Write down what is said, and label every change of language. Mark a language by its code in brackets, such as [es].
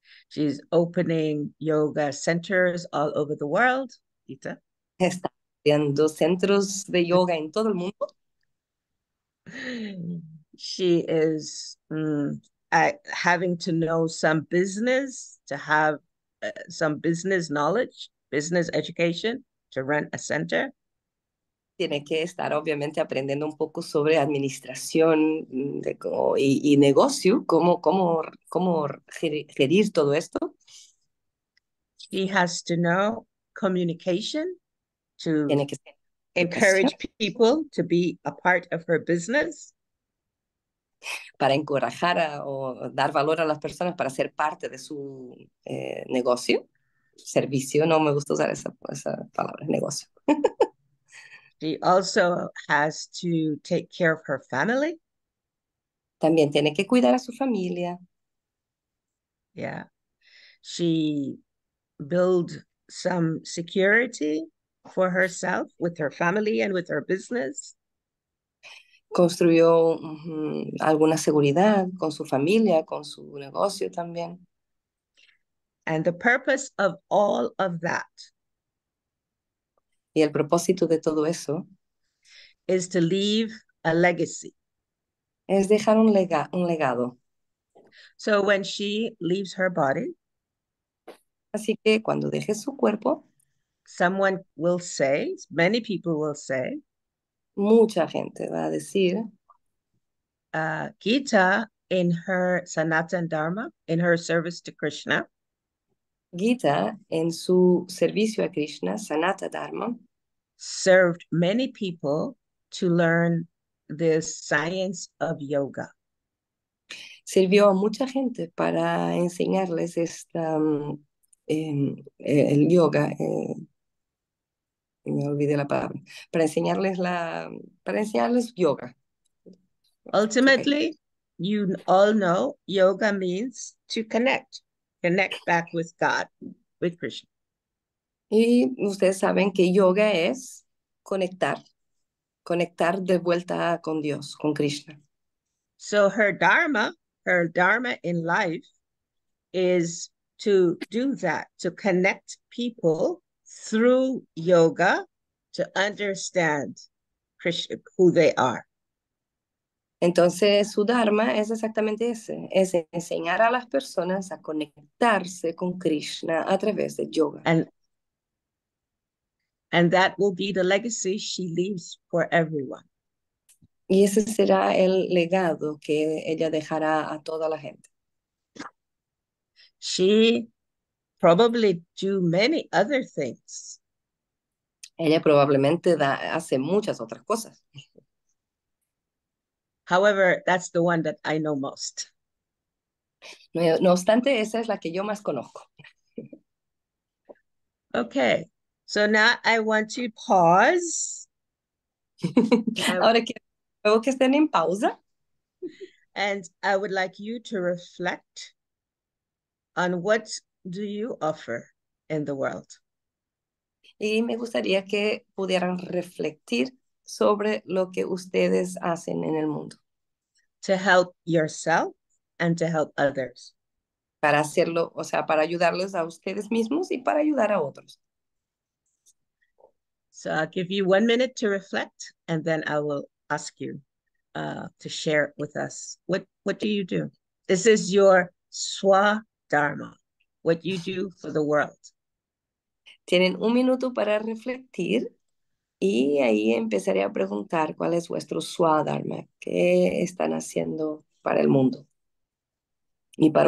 [en] She's opening yoga centers all over the world. Gita. [es] Está abriendo centros de yoga en todo el mundo. [en] She is having to know some business, to have some business knowledge, business education, to run a center. [es] Tiene que estar obviamente aprendiendo un poco sobre administración de cómo, y negocio, cómo gerir todo esto. [en] She has to know communication to [es] tiene que ser [en] encourage people to be a part of her business. [es] Para encorajar o dar valor a las personas para ser parte de su negocio, servicio, no me gusta usar esa palabra, negocio. [en] She also has to take care of her family. [es] También tiene que cuidar a su familia. [en] Yeah. She builds some security for herself with her family and with her business. [es] Construyó alguna seguridad con su familia, con su negocio también. [en] And the purpose of all of that. [es] Y el propósito de todo eso [en] is to leave a legacy. [es] Es dejar un legado. [en] So when she leaves her body, [es] así que cuando deje su cuerpo, [en] someone will say, many people will say, [es] mucha gente va a decir, [en] Gita in her Sanatan Dharma, in her service to Krishna, [es] Gita en su servicio a Krishna, Sanata Dharma, [en] served many people to learn this science of yoga. [es] Sirvió a mucha gente para enseñarles esta el yoga. Me olvidé la palabra. Para enseñarles yoga. [en] Ultimately, you all know yoga means to connect back with God, with Krishna. [es] Y ustedes saben que yoga es conectar de vuelta con Dios, con Krishna. [en] So her dharma in life is to do that, to connect people through yoga to understand Krishna, who they are. [es] Entonces, su dharma es exactamente ese, es enseñar a las personas a conectarse con Krishna a través de yoga. [en] And that will be the legacy she leaves for everyone. [es] Y ese será el legado que ella dejará a toda la gente. [en] She probably do many other things. [es] Ella probablemente hace muchas otras cosas. [en] However, that's the one that I know most. [es] No obstante, esa es la que yo más conozco. [en] Okay, so now I want to pause. [es] Ahora quiero que estén en pausa. [en] And I would like you to reflect on what do you offer in the world. [es] Y me gustaría que pudieran reflexionar sobre lo que ustedes hacen en el mundo. [en] To help yourself and to help others. [es] Para hacerlo, o sea, para ayudarles a ustedes mismos y para ayudar a otros. [en] So I'll give you 1 minute to reflect, and then I will ask you to share with us what do you do? This is your swa dharma, what you do for the world. [es] Tienen 1 minuto para reflexionar y ahí empezaré a preguntar cuál es vuestro Swadharma, qué están haciendo para el mundo y para